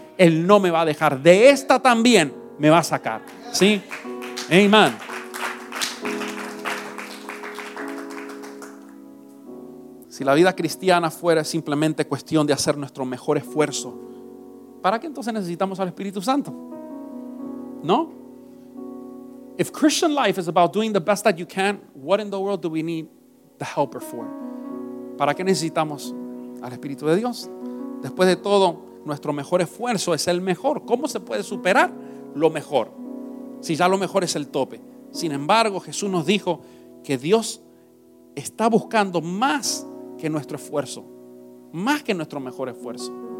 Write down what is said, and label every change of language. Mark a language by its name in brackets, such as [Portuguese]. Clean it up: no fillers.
[Spanish] Él no me va a dejar, de esta también me va a sacar. ¿Sí? Amén. Si la vida cristiana fuera simplemente cuestión de hacer nuestro mejor esfuerzo, ¿para qué entonces necesitamos al Espíritu Santo? ¿No? [English] If Christian life is about doing the best that you can, what in the world do we need the helper for? [Spanish] ¿Para qué necesitamos al Espíritu de Dios? Después de todo, nuestro mejor esfuerzo es el mejor. ¿Cómo se puede superar lo mejor si ya lo mejor es el tope? Sin embargo, Jesús nos dijo que Dios está buscando más que nuestro esfuerzo, más que nuestro mejor esfuerzo.